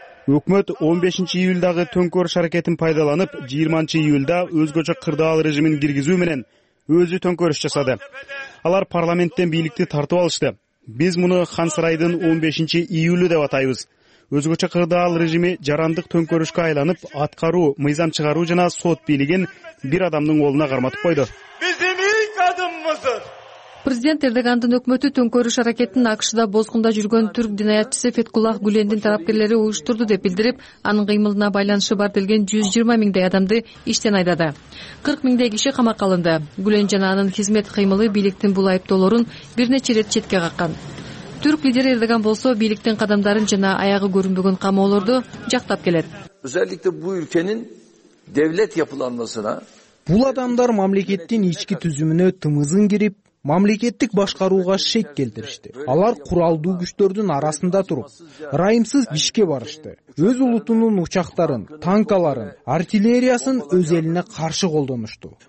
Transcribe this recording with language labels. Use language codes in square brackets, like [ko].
[ky] Өкмөт 15 июлдагы төңкөрүш аракетин пайдаланып 20 июлда өзгөчө кырдаал режимин киргизүү менен өзү төңкөрүш жасады. Алар парламенттен бийликти тартып алышты. Биз муну Хан сарайдын 15 июлу деп атайбыз. Өзгөчө кырдаал режими жарандык төңкөрүшкө айланып, аткаруу, мыйзам чыгаруу жана сот бийлигин бир адамдын колуна карматып койду. Биздин [tr] ilk adımımızdır. [ky] Президент Эрдогандын өкмөтү төңкөрүш аракетин АКШда боскунда жүргөн түрк динаятчысы Феткуллах Гүлендин тарапкерлери уюштурду деп билдирип, анын кыймылына байланышы бар делген 120 миңдей адамды иштен айдады. 40 миңдей киши камакка алынды. Гүлен жана анын кызмат кыймылы бийликтин бул айыптоолорун бир нече ирет четке каккан. Түрк лидери Эрдоган болсо бийликтин кадамдарын жана аягы көрүнбөгөн камоолорду жактап келет. [tr] Özellikle bu ülkenin devlet yapılanmasına [ky] Бул адамдар мамлекеттин ички түзүмүнө тымызын кирип мамлекеттик башкарууга шек келтиришти. Алар куралдуу күчтөрдүн арасында туруп, ырайымсыз ишке барышты. Өз улутунун учактарын, танкаларын, артиллериясын өз элине каршы колдонушту.